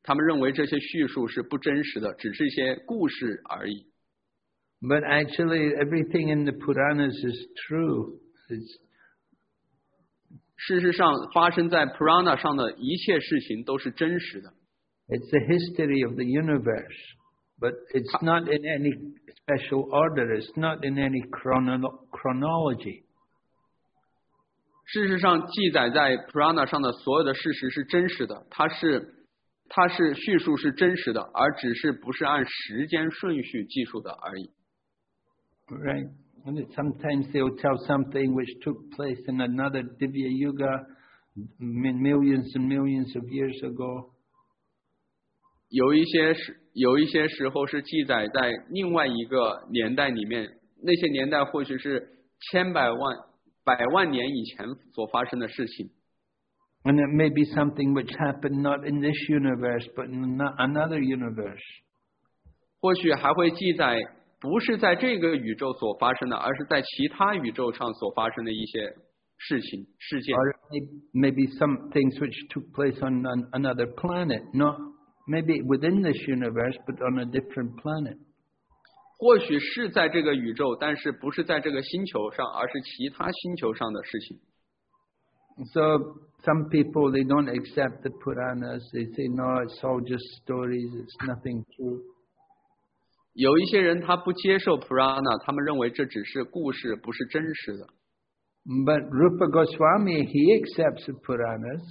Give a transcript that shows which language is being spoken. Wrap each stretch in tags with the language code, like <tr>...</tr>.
<zh>他们认为这些叙述是不真实的，只是一些故事而已。</zh> <en>But actually, everything in the Puranas is true.</en> <zh>事实上，发生在 Purana 上的一切事情都是真实的。</zh> <en>It's the history of the universe, but it's not in any special order. It's not in any chronology.</en> <zh>事实上，记载在 Purana 上的所有的事实是真实的。它是叙述是真实的，而只是不是按时间顺序记述的而已。</zh> <en>Right, and sometimes they'll tell something which took place in another Divya Yuga, millions and millions of years ago.</en> <zh>有一些时候是记载在另外一个年代里面，那些年代或许是千百万、百万年以前所发生的事情。</zh> <en>And it may be something which happened not in this universe, but in another universe.</en> <zh>或许还会记载。不是在这个宇宙所发生的，而是在其他宇宙上所发生的一些事情事件。</zh> <en>Or maybe some things which took place on another planet, not maybe within this universe, but on a different planet.</en> <zh>或许是在这个宇宙，但是不是在这个星球上，而是其他星球上的事情。</zh> <en>So some people they don't accept the Puranas. They say no, it's all just stories. It's nothing true.</en> <zh>有一些人他不接受 Purana， 他们认为这只是故事，不是真实的。</zh> <en>But Rupa Goswami he accepts the Puranas.</en>